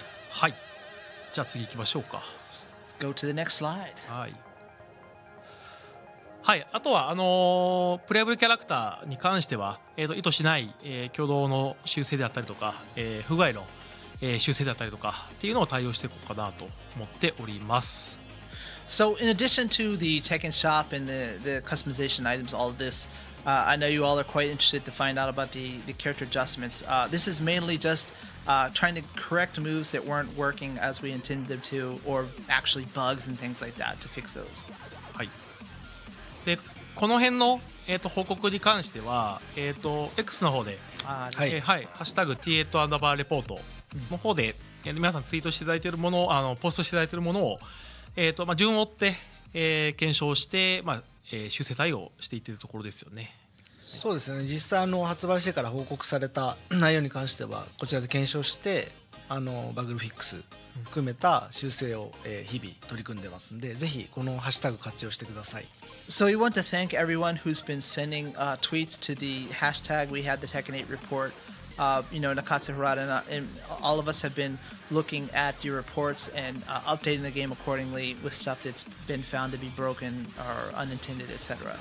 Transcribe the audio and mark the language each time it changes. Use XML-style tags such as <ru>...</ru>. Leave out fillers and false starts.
<ja>はい、じゃあ次行きましょうか。</ja> <en>Go to the next slide.</en> <ja>はいはい、あとはプレイアブルキャラクターに関しては、意図しない、挙動の修正であったりとか、不具合の、修正であったりとかっていうのを対応していこうかなと思っております。</ja> <en>So in addition to the Tekken shop and the customization items, all of this, I know you all are quite interested to find out about the character adjustments. This is mainly just trying to correct moves that weren't working as we intended them to, or actually bugs and things like that to fix those.</en> <ja>はい、でこの辺の、報告に関しては、X の方で、はい、はい、ハッシュタグ T8 アンダーバーレポートの方で、うん、皆さんツイートしていただいているものを、ポストしていただいているものを、まあ、順を追って、検証して、まあ、修正対応していっているところですよね。そうですね、実際の発売してから報告された内容に関してはこちらで検証して、あのバグルフィックス含めた修正を日々取り組んでますので、ぜひこのハッシュタグ活用してください。</ja> <en>So we want to thank everyone who's been sending tweets to the hashtag we had the Tekken 8 report. You know, Nakatsu, Harada, and all of us have been looking at your reports and updating the game accordingly with stuff that's been found to be broken or unintended, etc.</en>